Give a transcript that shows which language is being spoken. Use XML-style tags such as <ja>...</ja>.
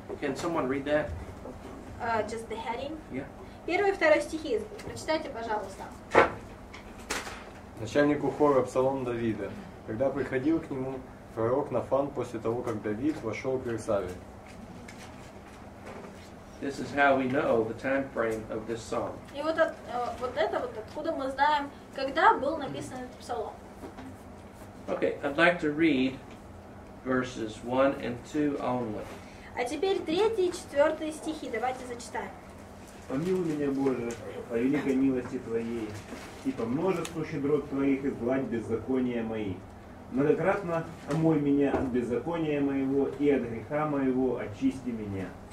<en>Can someone read that? Just the heading? Yeah.</en> <ru>Первый и второй стихи, прочитайте, пожалуйста. Начальнику хора псалом Давида. Когда приходил к нему пророк Нафан после того, как Давид вошел к Версаве.</ru> <en>This is how we know the time frame of this psalm.</en> <ru>И вот от вот это вот откуда мы знаем, когда был написан этот псалом.</ru> <en>Okay, I'd like to read verses 1 and 2 only.</en> <ru>А теперь третий и четвертый стихи давайте зачитаем. Помилуй меня, Боже, по великой милости Твоей, и по множеству щедрот Твоих изгладь беззакония мои. Многократно омой меня от беззакония моего и от греха моего очисти меня.</ru>